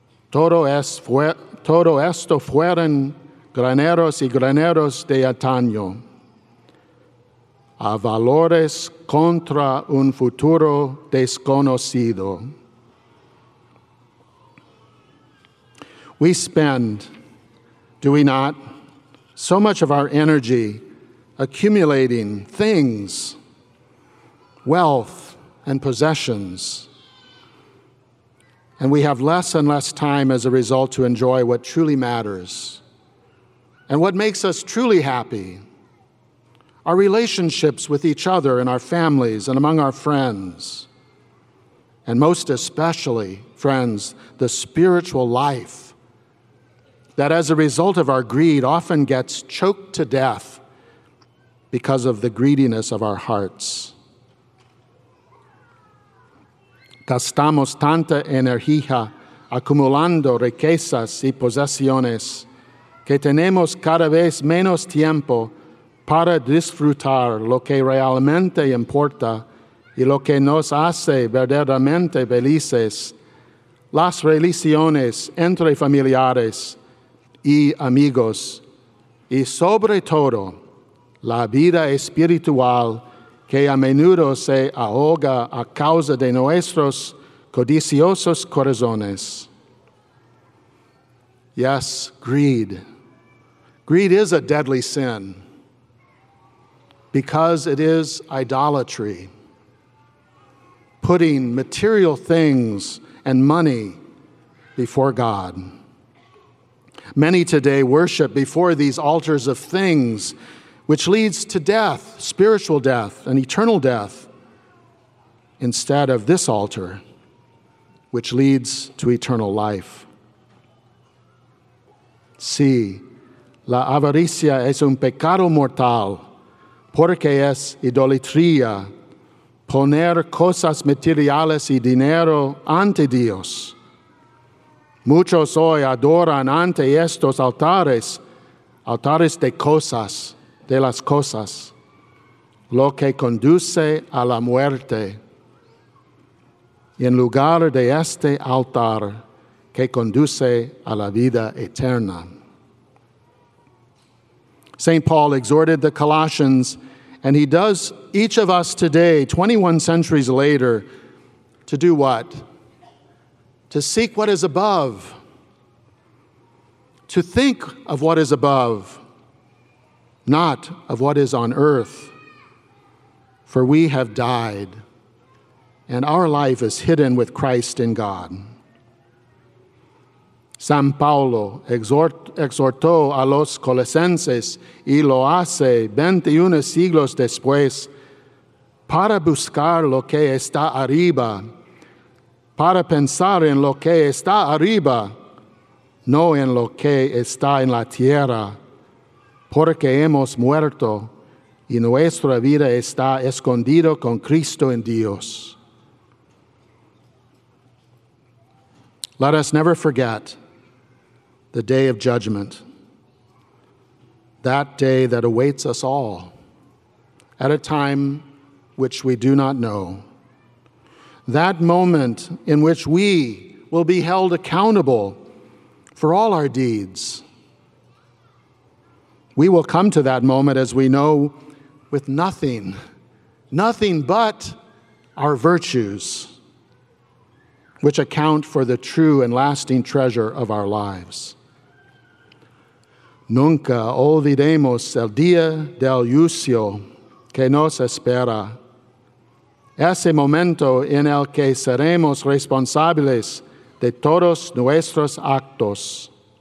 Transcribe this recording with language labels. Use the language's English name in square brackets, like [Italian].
[Spanish] Todo esto fueron graneros y graneros de antaño, a valores contra un futuro desconocido. [English] We spend, do we not, so much of our energy accumulating things, wealth, and possessions. And we have less and less time as a result to enjoy what truly matters and what makes us truly happy, our relationships with each other and our families and among our friends, and most especially, friends, the spiritual life that as a result of our greed often gets choked to death because of the greediness of our hearts. [Spanish] Gastamos tanta energía acumulando riquezas y posesiones que tenemos cada vez menos tiempo para disfrutar lo que realmente importa y lo que nos hace verdaderamente felices, las relaciones entre familiares y amigos, y sobre todo, la vida espiritual que a menudo se ahoga a causa de nuestros codiciosos corazones. [English] Yes, greed. Greed is a deadly sin because it is idolatry, putting material things and money before God. Many today worship before these altars of things, which leads to death, spiritual death, and eternal death, instead of this altar, which leads to eternal life. [Spanish] Sí, la avaricia es un pecado mortal, porque es idolatría, poner cosas materiales y dinero ante Dios. Muchos hoy adoran ante estos altares, altares de cosas, de las cosas, lo que conduce a la muerte, y en lugar de este altar que conduce a la vida eterna. [English] St. Paul exhorted the Colossians, and he does each of us today, 21 centuries later, to do what? To seek what is above, to think of what is above, not of what is on earth, for we have died, and our life is hidden with Christ in God. [Spanish] San Paulo exhortó a los colosenses, y lo hace 21 siglos después, para buscar lo que está arriba, para pensar en lo que está arriba, no en lo que está en la tierra, porque hemos muerto y nuestra vida está escondido con Cristo en Dios. [English] Let us never forget the day of judgment, that day that awaits us all at a time which we do not know, that moment in which we will be held accountable for all our deeds. We will come to that moment, as we know, with nothing, nothing but our virtues, which account for the true and lasting treasure of our lives. [Spanish] Nunca olvidemos el día del juicio que nos espera, ese momento en el que seremos responsables de todos nuestros actos.